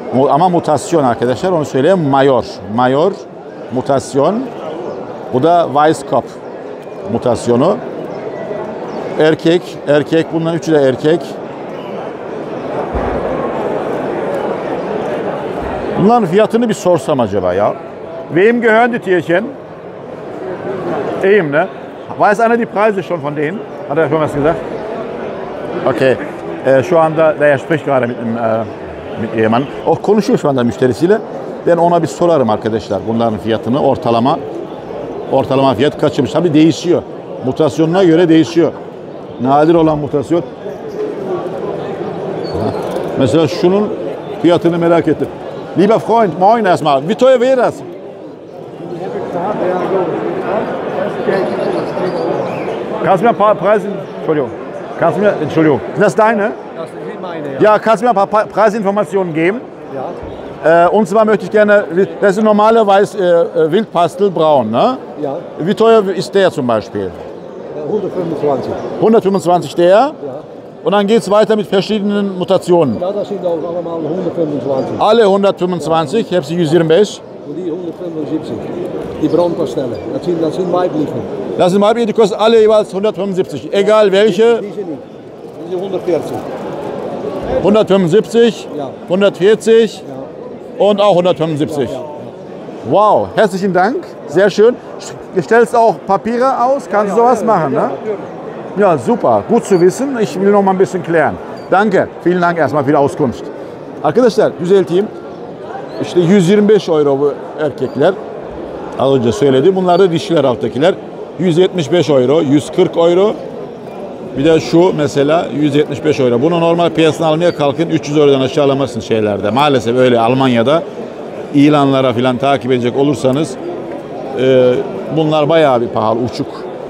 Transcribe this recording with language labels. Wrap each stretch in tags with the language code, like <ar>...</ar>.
<tr>Ama mutasyon arkadaşlar, onu söyleyeyim. Mayor. Mayor mutasyon. Bu da Weisskopf mutasyonu. Erkek, erkek. Bunların üçü de erkek. Bunların fiyatını bir sorsam acaba ya.</tr> <de>Wem gehören die Tierchen? Eben, ne? Weiß einer die Preise schon von denen? Hat schon was gesagt? Okay.</de> <tr>Şu anda</tr> <de>der spricht gerade mit dem Ehemann.</de> <tr>O konuşuyor şu anda müşterisiyle. Ben ona bir sorarım arkadaşlar. Bunların fiyatını ortalama. Ortalama fiyat kaçmış. Tabii değişiyor. Mutasyonuna göre değişiyor. Nadir olan mutasyon. Mesela şunun fiyatını merak ettim.</tr> <de>Lieber Freund, moin erstmal. Wie teuer wäre das? Kannst du mir ein paar Preise, Entschuldigung. Kannst du mir, Entschuldigung. Ist das deine? Das ist meine, ja. Ja, kannst du mir ein paar Preisinformationen geben? Ja. Und zwar möchte ich gerne, das ist normalerweise Wildpastel braun, ne? Ja. Wie teuer ist der zum Beispiel? 125. 125 der? Ja. Und dann geht es weiter mit verschiedenen Mutationen. Ja, das sind auch alle mal 125. Alle 125, ja. Ich habe sie gesehen. Und die 175, die Braunpastelle, das sind weibliche. Das sind weibliche, die kosten alle jeweils 175, egal welche. Diese 140. 175, ja. 140, ja. Und auch 175. Ja, ja, ja. Wow, herzlichen Dank, sehr schön. Du stellst auch Papiere aus, kannst du ja, sowas ja, machen, ja, ne? Natürlich. Ja, super. Gut zu wissen. Ich will noch mal ein bisschen klären. Danke. Vielen Dank erstmal für die Auskunft.</de> <tr>Arkadaşlar, düzelteyim. İşte 125 euro bu erkekler. Az önce söyledi. Bunlar da dişiler alttakiler. 175 euro, 140 euro. Bir de şu mesela 175 euro. Bunu normal piyasadan almaya kalkın. 300 eurodan aşağılamazsın şeylerde. Maalesef öyle Almanya'da ilanlara falan takip edecek olursanız bunlar bayağı bir pahalı, uçuk.</tr>